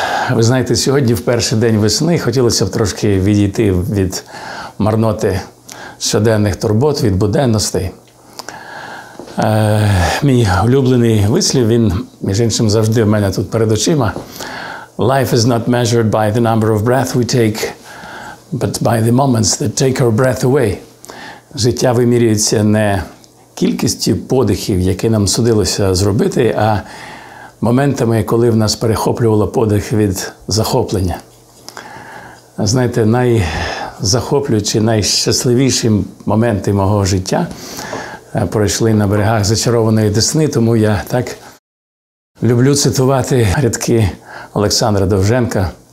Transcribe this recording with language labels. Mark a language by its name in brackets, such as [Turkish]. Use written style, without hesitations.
[Ukrainian] Ви знаєте, сьогодні в перший день весни хотілося б трошки відійти від марноти щоденних турбот, від буденностей. Мій улюблений вислів, він, між іншим, завжди в мене тут перед очима. [English] Life is not measured by the number of breath we take, but by the moments that take our breath away. [Ukrainian] Життя вимірюється не кількістю подихів, які нам судилося зробити, а моментами, коли в нас перехоплювало подих від захоплення. Знаєте, найзахоплюючі, найщасливіші моменти мого життя пройшли на берегах Зачарованої Десни, тому я так люблю цитувати рядки Олександра Довженка.